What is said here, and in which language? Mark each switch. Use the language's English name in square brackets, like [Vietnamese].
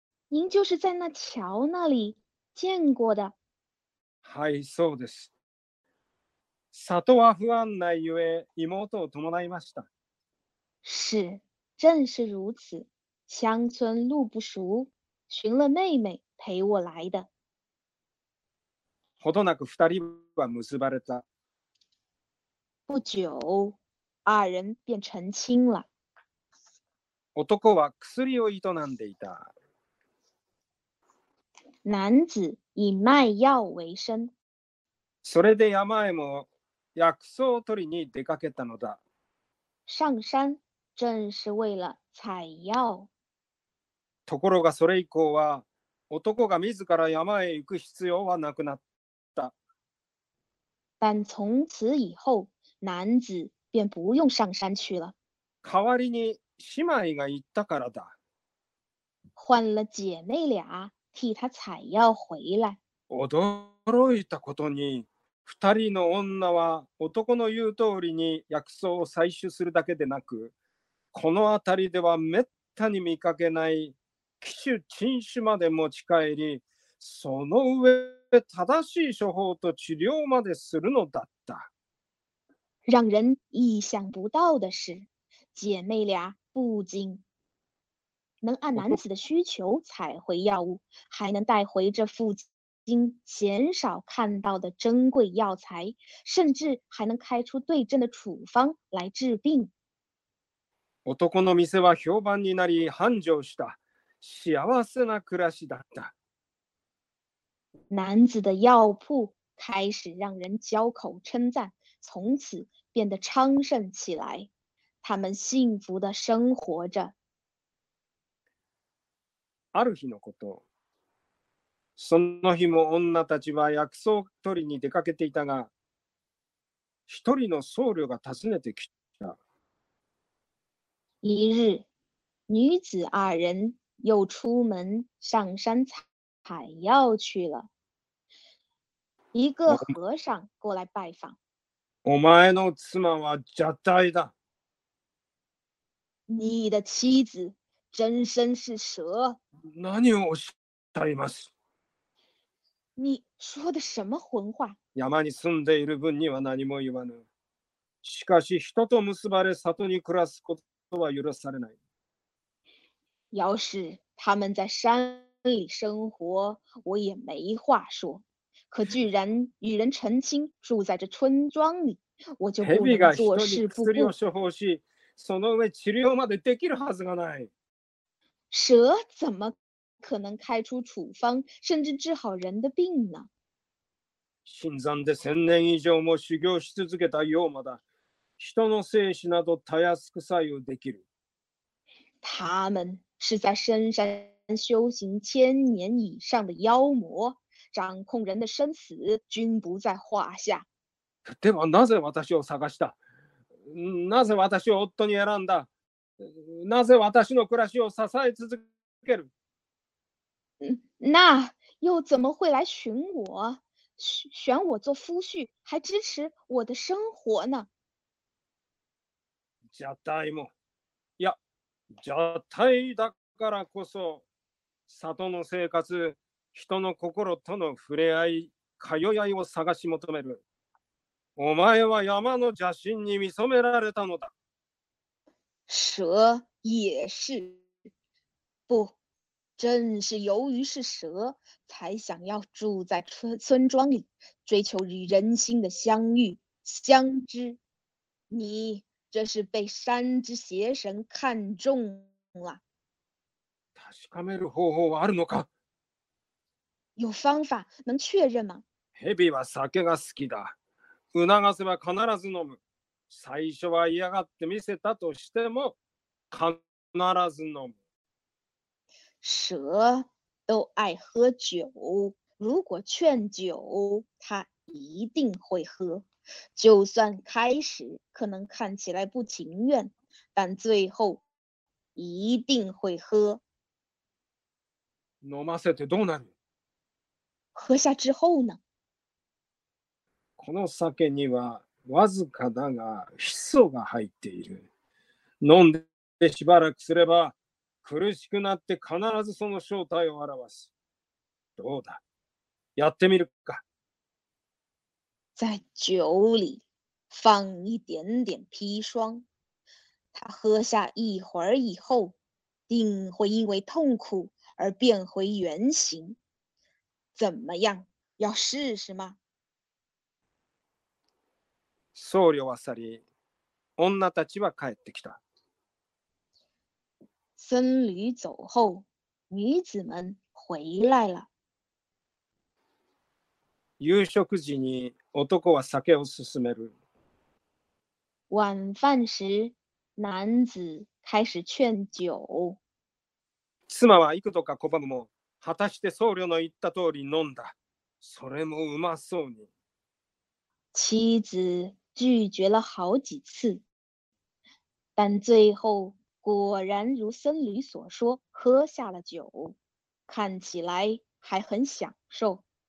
[Chinese] 您就是在那桥那里见过的。 [Japanese] はい、そうです。里は不安ないゆえ、妹を伴いました。 [Chinese] 是，正是如此。乡村路不熟，寻了妹妹陪我来的。 [Japanese] ほどなく二人は結ばれた。 [Chinese] 不久，二人便成亲了。 [Japanese] 男は薬を営んでいた。 [Chinese] 男子以卖药为生。 [Japanese] それで山へも薬草を取りに出かけたのだ。 [Chinese] 上山正是为了采药。 [Japanese] ところがそれ以降は男が自ら山へ行く必要はなくなった。 [Chinese] 但从此以后，男子便不用上山去了。 [Japanese] 代わりに姉妹が行ったからだ。 [Chinese] 换了姐妹俩替他采药回来。 [Japanese] 驚いたことに、二人の女は男の言う通りに薬草を採取するだけでなく、この辺りではめったに見かけない奇種珍種まで持ち帰り、その上正しい処方と治療までするのだった。 [Chinese] 让人意想不到的是，姐妹俩不仅能按男子的需求采回药物，还能带回这附近鲜少看到的珍贵药材，甚至还能开出对症的处方来治病。 [Japanese] 男の店は評判になり繁盛した。幸せな暮らしだった。 [Chinese] 男子的药铺开始让人交口称赞，从此变得昌盛起来。他们幸福地生活着。 [Japanese] ある日のこと、その日も女たちは薬草取りに出かけていたが、一人の僧侶が訪ねてきた。 [Chinese] 一日、女子二人又出门上山采药去了。一个和尚过来拜访。 [Japanese] お前の妻は蛇体だ。 [Chinese] 你的妻子真身是蛇。 [Japanese] 何をおっしゃいます。 [Chinese] 你说的什么混话？ [Japanese] 山に住んでいる分には何も言わぬ。しかし人と結ばれ里に暮らすことは許されない。 [Chinese] 要是他们在山里生活，我也没话说。可居然与人成亲，住在这村庄里，我就不能坐视不顾。 [Japanese] 蛇が人に薬を処方し、その上治療までできるはずがない。 [Chinese] 蛇怎么可能开出处方，甚至治好人的病呢？ [Japanese] 新山で千年以上も修行し続けた妖魔だ。人の生死などたやすく左右できる。 [Chinese] 他们是在深山修行千年以上的妖魔。掌控人的生死均不在话下。 [Japanese] でもなぜ私を探した？なぜ私を夫に選んだ？なぜ私の暮らしを支え続ける？ [Chinese] 那又怎么会来寻我？选我做夫婿，还支持我的生活呢？ [Japanese] 蛇体も、いや、蛇体だからこそ、里の生活。人の心との触れ合い、通い合いを探し求める。お前は山の邪神に見染められたのだ。 [Chinese] 蛇也是。不、正是由于是蛇、才想要住在村庄里、追求与人心的相遇、相知。你、这是被山之邪神看中了。 [Japanese] 確かめる方法はあるのか？ [Chinese] 有方法能确认吗？ [Japanese] 蛇は酒が好きだ。促せば必ず飲む。最初は嫌がって見せたとしても必ず飲む。 [Chinese] 蛇都爱喝酒，如果劝酒，他一定会喝。就算开始可能看起来不情愿，但最后一定会喝。 [Japanese] 飲ませてどうなる？ [Chinese] 喝下之后呢？ [Japanese] この酒にはわずかだがヒ素が入っている。飲んでしばらくすれば苦しくなって必ずその正体を現す。どうだ？やってみるか。 [Chinese] 在酒里放一点点砒霜，他喝下一会儿以后，定会因为痛苦而变回原形。怎么样？要试试吗？ [Japanese] 僧侶は去り、女たちは帰ってきた。 [Chinese] 僧侶走后，女子们回来了。 [Japanese] 夕食時に男は酒を勧める。 [Chinese] 晚饭时，男子开始劝酒。 [Japanese] 妻は幾度か拒むも、果たして僧侶の言った通り飲んだ。それもうまそうに。 [Chinese] 妻子拒绝了好几次，但最后果然如僧侣所说，喝下了酒，看起来还很享受。